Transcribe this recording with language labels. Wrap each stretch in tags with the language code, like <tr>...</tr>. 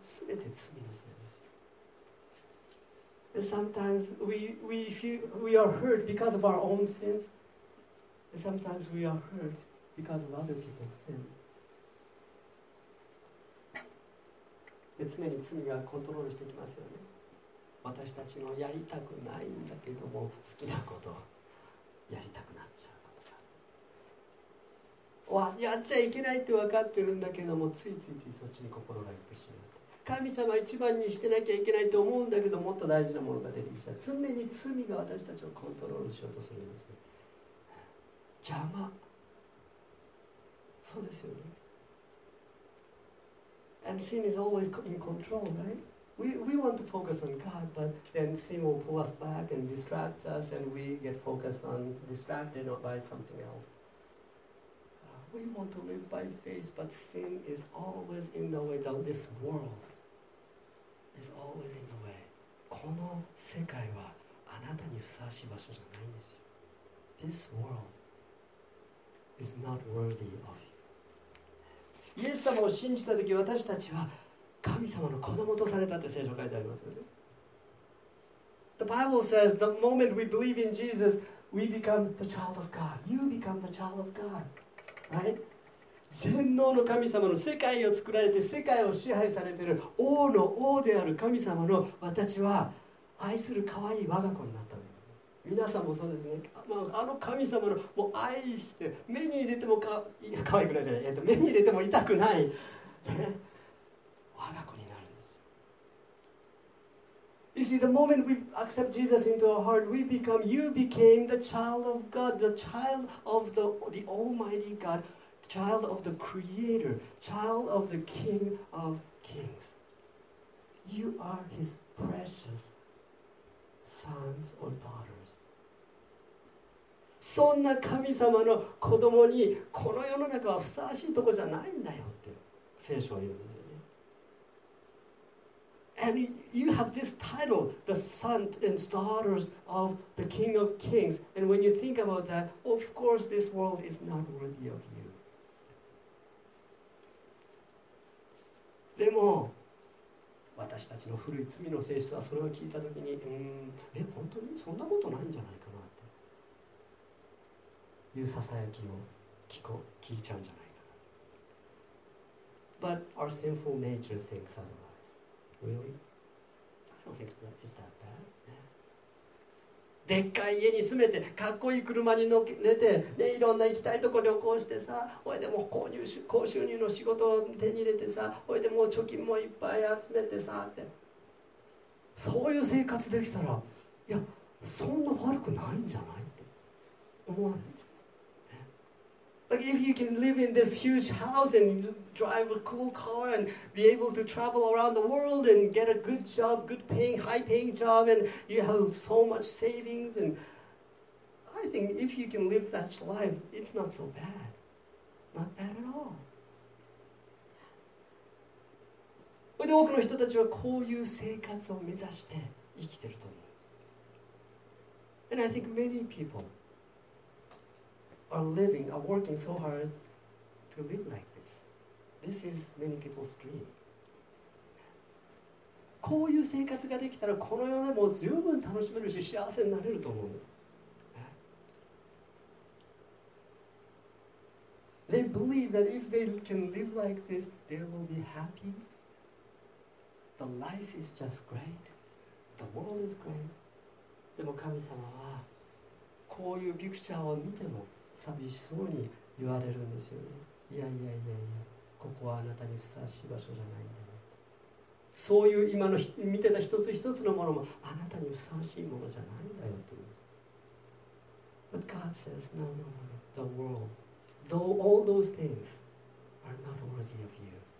<ja>すべて罪のせいです。</ja> <en>And sometimes we are hurt because of our own sins. And sometimes we are hurt because of other people's sin.</en> <ja>で常に罪がコントロールしてきますよね。私たちのやりたくないんだけども好きなことをやりたくなっちゃう。わやっちゃいけないって分かってるんだけどもついついついそっちに心がいってしまう。神様一番にしてなきゃいけないと思うんだけどもっと大事なものが出てきた。常に罪が私たちをコントロールしようとするんですよ。邪魔、そうですよね。</ja> <en>And sin is always in control, right? We want to focus on God, but then sin will pull us back and distract us, and we get focused on distracted by something else. We want to live by faith, but sin is always in the way. That this world is always in the way.</en> <ja>この世界はあなたにふさわしい場所じゃないんですよ。</ja> <en>This world is not worthy of you.</en> <ja>イエス様を信じたとき、私たちは神様の子供とされたって聖書書いてありますよね。</ja> <en>The Bible says the moment we believe in Jesus, we become the child of God. You become the child of God. Right?</en> <ja>全能の神様の世界を作られて世界を支配されている王の王である神様の私は愛する可愛い我が子になったわけです。皆さんもそうですね。あの神様のもう愛して目に入れても可愛くないじゃない、目に入れても痛くない、ね、我が子になるんですよ。</ja> <en>You see, the moment we accept Jesus into our heart, we become, you became the child of God, the child of the Almighty God. Child of the Creator, child of the King of Kings. You are His precious sons or daughters.</en> <ja>そんな神様の子供にこの世の中はふさわしいとこじゃないんだよって聖書は言うんですよね。</ja> <en>And you have this title, the sons and daughters of the King of Kings. And when you think about that, of course this world is not worthy of you.</en> <ja>でも私たちの古い罪の性質はそれを聞いたときに、本当にそんなことないんじゃないかなっていうささやきを聞いちゃうんじゃないかな。</ja> <en>But our sinful nature thinks otherwise. Really? I don't think that is that bad.</en> <ja>でっかい家に住めてかっこいい車に乗っけて、ね、いろんな行きたいとこ旅行してさ、おいでも高収入の仕事を手に入れてさ、おいでも貯金もいっぱい集めてさって、そういう生活できたらいやそんな悪くないんじゃないって思わないですか、ね、</ja> <en>Like if you can live in this huge house and drive a cool car and be able to travel around the world and get a good job, good paying, high paying job, and you have so much savings, and I think if you can live such life, it's not so bad. Not bad at all.</en> <ja>それで多くの人たちはこういう生活を目指して生きてると思うんです。</ja> <en>And I think many people are working so hard to live like this. This is many people's dream.</en> <ja>こういう生活ができたらこの世でも十分楽しめるし幸せになれると思うんです。</ja> <en>They believe that if they can live like this, they will be happy. The life is just great. The world is great.</en> <ja>でも神様はこういうピクチャーを見ても寂しそうに言われるんですよね。いやいやいやいや。ここはあなたにふさわしい場所じゃないんだよ。そういう今の見てた一つ一つのものもあなたにふさわしいものじゃないんだよと。</ja> <en>But God says, no, no, no, the world, though all those things are not worthy of you.</en>